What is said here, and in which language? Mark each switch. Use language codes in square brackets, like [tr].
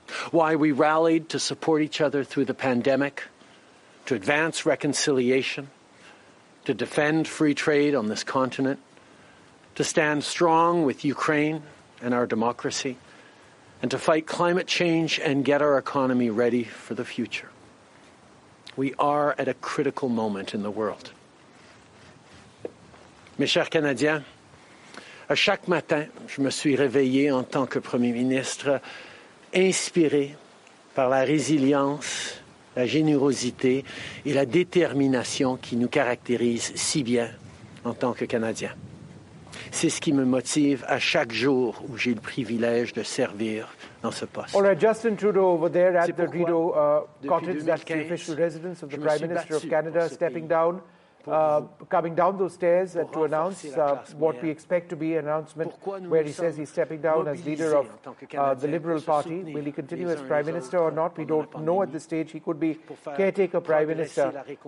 [en] Why we rallied to support each other through the pandemic, to advance reconciliation, to defend free trade on this continent, to stand strong with Ukraine and our democracy, and to fight climate change and get our economy ready for the future. We are at a critical moment in the world. [fr] Mes chers Canadiens, à chaque matin, je me suis réveillé en tant que Premier ministre, inspiré par la résilience, la générosité et la détermination qui nous caractérisent si bien en tant que Canadiens. C'est ce qui me motive à chaque jour où j'ai le privilège de servir dans ce poste. [en] All right, Justin Trudeau over there at the Rideau Cottage, that's the official residence of the Prime Minister of Canada, stepping down, coming down those stairs to announce what we expect to be an announcement where he says he's stepping down as leader of the Liberal Party. Will he continue as Prime Minister or not? We don't know at this stage. He could be caretaker Prime Minister.